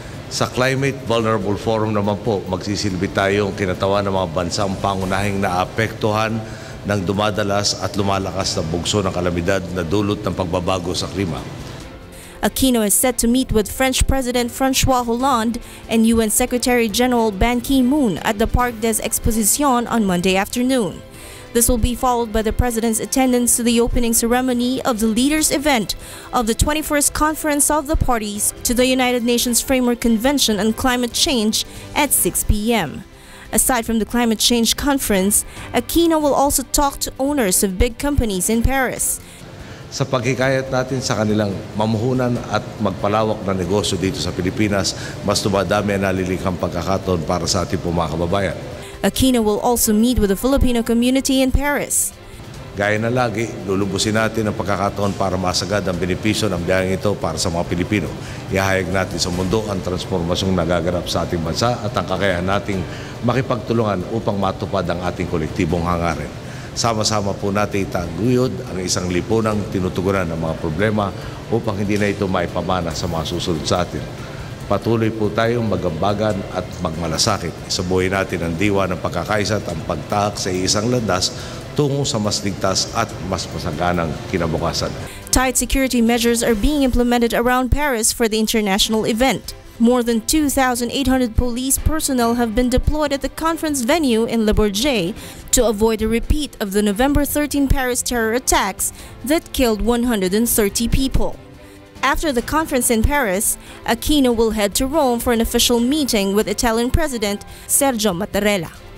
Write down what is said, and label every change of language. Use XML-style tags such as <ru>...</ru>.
<tl>Sa Climate Vulnerable Forum naman po, magsisilbi tayong tinatawa ng mga bansa ang pangunahing naapektuhan ng dumadalas at lumalakas na bugso ng kalamidad na dulot ng pagbabago sa klima.</tl> <en>Aquino is set to meet with French President François Hollande and UN Secretary General Ban Ki-moon at the Parc des Expositions on Monday afternoon. This will be followed by the President's attendance to the opening ceremony of the Leaders' Event of the 21st Conference of the Parties to the United Nations Framework Convention on Climate Change at 6 p.m. Aside from the Climate Change Conference, Aquino will also talk to owners of big companies in Paris.</en> <tl>Sa pagkikayat natin sa kanilang mamuhunan at magpalawak na negosyo dito sa Pilipinas, mas dumadami ang nalilikhang pagkakataon para sa ating mga kababayan.</tl> <en>Aquino will also meet with the Filipino community in Paris.</en> <tl>Gaya na lagi, lulubusin natin ang pagkakataon para masagad ang benepisyo ng biyahing ito para sa mga Pilipino. Ihayag natin sa mundo ang transformasyong nagagarap sa ating bansa at ang kakayahan nating makipagtulungan upang matupad ang ating kolektibong hangarin. Sama-sama po natin itaguyod ang isang lipunang tinutugunan ng mga problema upang hindi na ito maipamana sa mga susunod sa atin. Patuloy po tayong magambagan at magmalasakit. Isabuhin natin ang diwa ng pagkakaisa at ang pagtahak sa isang landas tungo sa mas ligtas at mas masaganang kinabukasan.</tl> <en>Tight security measures are being implemented around Paris for the international event. More than 2,800 police personnel have been deployed at the conference venue in Le Bourget to avoid a repeat of the November 13 Paris terror attacks that killed 130 people. After the conference in Paris, Aquino will head to Rome for an official meeting with Italian President Sergio Mattarella.</en>